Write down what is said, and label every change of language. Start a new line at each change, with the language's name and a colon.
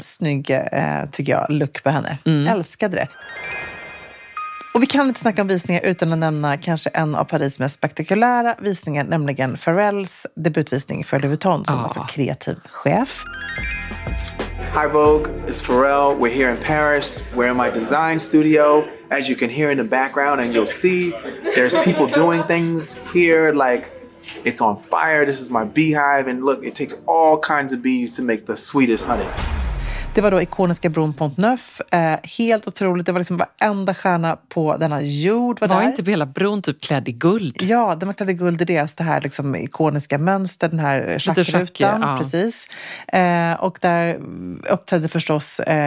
Swedish: Snygg, tycker jag, look på henne. Mm. Älskade det. Och vi kan inte snacka om visningar utan att nämna kanske en av Paris mest spektakulära visningar, nämligen Pharrells debutvisning för Louis Vuitton, som alltså kreativ chef.
English: Hi Vogue, it's Pharrell. We're here in Paris. We're in my design studio. As you can hear in the background and you'll see, there's people doing things here like... It's on fire. This is my beehive. And look, it takes all kinds of bees to make the sweetest honey.
Swedish: Det var då ikoniska bron Pont Neuf. Helt otroligt. Det var liksom varenda stjärna på denna jord. Var inte hela bron typ klädd i guld? Ja, den var klädd i guld i deras det här liksom ikoniska mönster, den här schackrutan. Precis. Och där uppträdde förstås